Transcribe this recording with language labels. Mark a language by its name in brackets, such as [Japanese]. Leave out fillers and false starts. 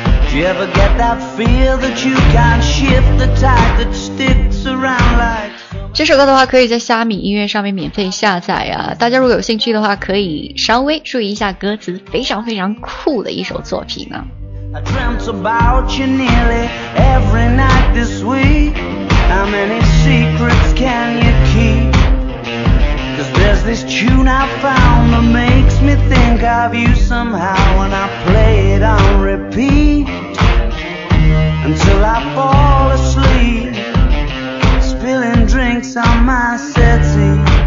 [English] Do you ever get that feel that you can't shift the tide that sticks around like... [Chinese] 这首歌的话可以在虾米音乐上面免费下载啊，大家如果有兴趣的话可以稍微注意一下歌词，非常非常酷的一首作品呢。 [English] I dreamt about you nearly every night this week. How many secrets can you keep? Cause there's this tune I found that makes me think of you somehow when I play it on repeat until I fall asleep, spilling drinks on my settee.